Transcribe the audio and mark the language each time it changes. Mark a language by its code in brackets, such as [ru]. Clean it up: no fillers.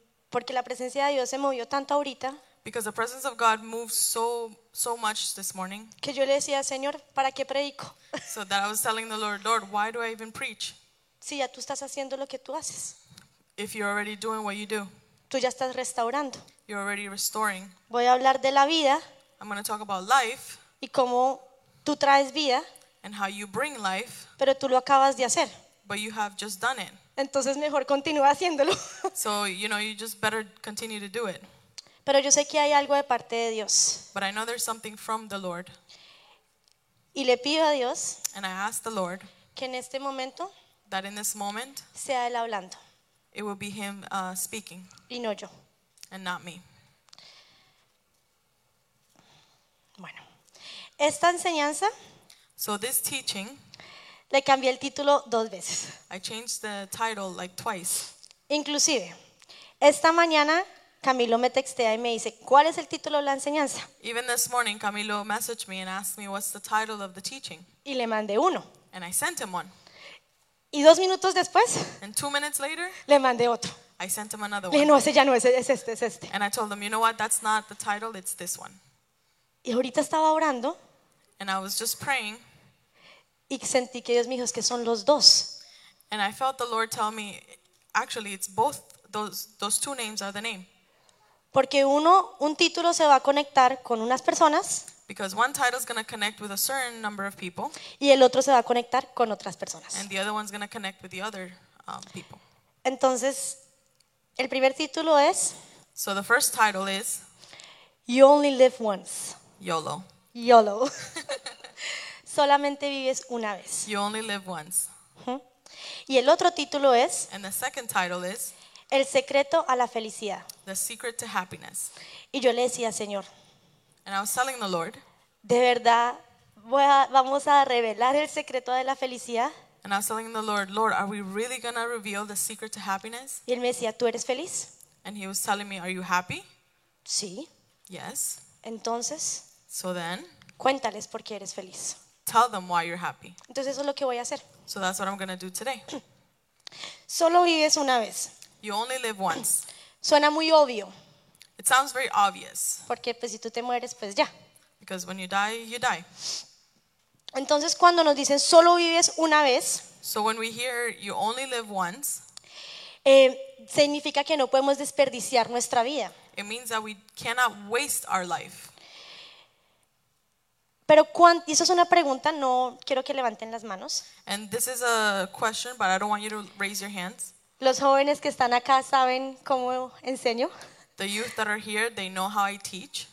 [es] Porque la presencia de Dios se movió tanto ahorita. [en] Because the presence of God moved so much this morning. [es] Que yo le decía, Señor, ¿para qué predico? [en] So that I was telling the Lord, Lord, why do I even preach? [es] Si ya tú estás haciendo lo que tú haces. [en] If you're already doing what you do. [es] Tú ya estás restaurando. [en] You're already restoring. [es] Voy a hablar de la vida. [en] I'm gonna talk about life. [es] Y cómo tú traes vida. [en] And how you bring life. [es] Pero tú lo acabas de hacer. [en] But you have just done it. [es] Entonces mejor continúa haciéndolo. [en] So you know you just better continue to do it. [es] Pero yo sé que hay algo de parte de Dios. [en] But I know there's something from the Lord. [es] Y le pido a Dios. [en] And I ask the Lord. [es] Que en este momento. [en] That in this moment. [es] Sea él hablando. [en] It will be him speaking. [es] Y no yo. [en] And not me. [es] Bueno, esta enseñanza. [en] So this teaching, [es] le cambié el título dos veces. [en] I changed the title like twice. [es] Inclusive, esta mañana Camilo me textea y me dice, ¿cuál es el título de la enseñanza? [en] Even this morning, Camilo messaged me and asked me what's the title of the teaching. [es] Y le mandé uno. [en] And I sent him one. [es] Y dos minutos después, [en] and 2 minutes later, [es] le mandé otro. [en] I sent him another [es] le [en] one. [es] No, ese ya no es, es este, es este. [en] And I told him, you know what? That's not the title. It's this one. [es] Y ahorita estaba orando. [en] And I was just praying. [es] Y sentí que Dios me dijo, es que son los dos. [en] And I felt the Lord tell me, actually, it's both those two names are the name. [es] Porque uno, un título se va a conectar con unas personas. [en] Because one title is going to connect with a certain number of people. [es] Y el otro se va a conectar con otras personas. [en] And the other one's going to connect with the other people. [es] Entonces, el primer título es. [en] So the first title is. You only live once. YOLO. [es] YOLO. Solamente vives una vez. [en] You only live once. [es] Y el otro título es. [en] And the second title is. [es] El secreto a la felicidad. [en] The secret to happiness. [es] Y yo le decía, Señor. [en] And I was telling the Lord. [es] De verdad, vamos a revelar el secreto de la felicidad. [en] And I was telling the Lord, Lord, are we really going to reveal the secret to happiness? [es] Y él me decía, ¿tú eres feliz? [en] And he was telling me, are you happy? [es] Sí. [en] Yes. [es] Entonces. [en] So then, [es] cuéntales por qué eres feliz. [en] Tell them why you're happy. [es] Entonces eso es lo que voy a hacer. [en] So that's what I'm going to do today. [es] Solo vives una vez. [en] You only live once. [es] Suena muy obvio. [en] It sounds very obvious. [es] Porque pues si tú te mueres, pues ya. [en] Because when you die, you die. [es] Entonces cuando nos dicen solo vives una vez, [en] so when we hear you only live once, [es] significa que no podemos desperdiciar nuestra vida. [en] It means that we cannot waste our life. [es] Pero cuánto, y eso es una pregunta, no quiero que levanten las manos. [en] And this is a question, but I don't want you to raise your hands. [es] Los jóvenes que están acá saben cómo enseño. [en] The youth that are here, they know how I teach.